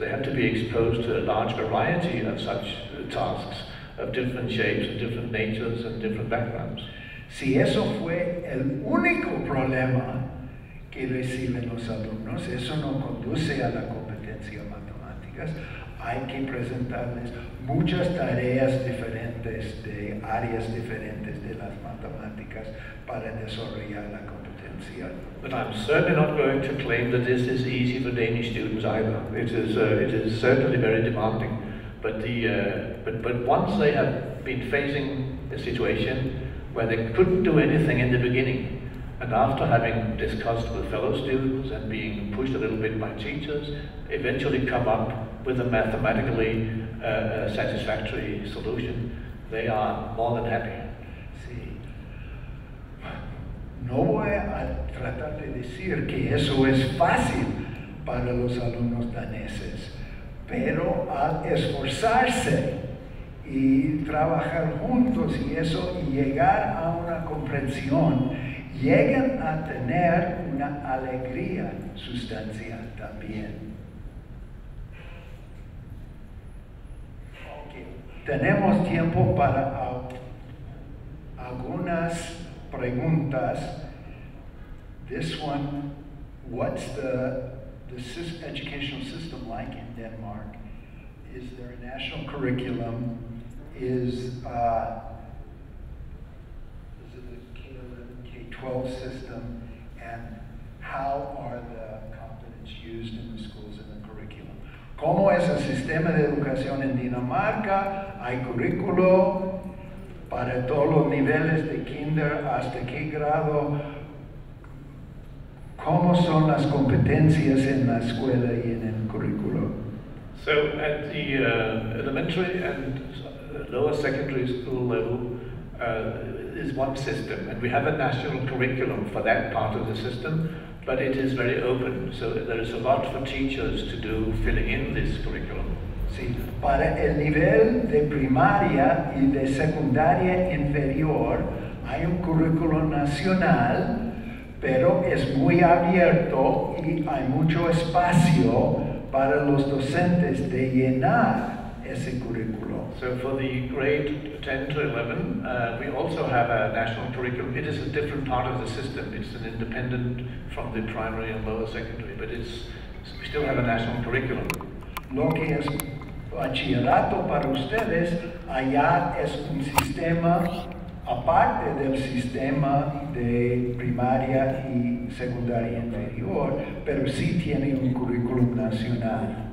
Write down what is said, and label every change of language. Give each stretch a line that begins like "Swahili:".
English: They have to be exposed to a large variety of such tasks, of different shapes, and different natures, and different backgrounds.
Spanish: Si eso fue el único problema que reciben los alumnos, eso no conduce a la competencia matemática. Hay que presentarles muchas tareas diferentes de áreas diferentes de las matemáticas para desarrollar la competencia.
English: But I'm certainly not going to claim that this is easy for Danish students either. It is certainly very demanding. But but once they have been facing a situation where they couldn't do anything in the beginning, and after having discussed with fellow students and being pushed a little bit by teachers, eventually come up with a mathematically satisfactory solution, they are more than happy.
Spanish: Sí. No voy a tratar de decir que eso es fácil para los alumnos daneses, pero al esforzarse y trabajar juntos y eso, y llegar a una comprensión, llegan a tener una alegría sustancial también. Tenemos tiempo para algunas preguntas.
English: This one, what's the the educational system like in Denmark? Is there a national curriculum? Is it a K-11, K-12 system? And how are the competence used in the schools and the curriculum?
Spanish: ¿Cómo es el sistema de educación en Dinamarca? ¿Hay currículo para todos los niveles de kinder hasta qué grado? ¿Cómo son las competencias en la escuela y en el currículo?
English: So at the elementary and lower secondary school level is one system, and we have a national curriculum for that part of the system, but it is very open, so there is a lot for teachers to do filling in this curriculum.
Spanish: Sí, para el nivel de primaria y de secundaria inferior hay un currículo nacional, pero es muy abierto y hay mucho espacio para los docentes de llenar ese currículo.
English: So for the grade 10 to 11, we also have a national curriculum. It is a different part of the system. It's an independent from the primary and lower secondary, but it's, we still have a national curriculum.
Spanish: Lo que es bachillerato para ustedes, allá es un sistema aparte del sistema de primaria y secundaria inferior, pero sí tiene un currículum nacional.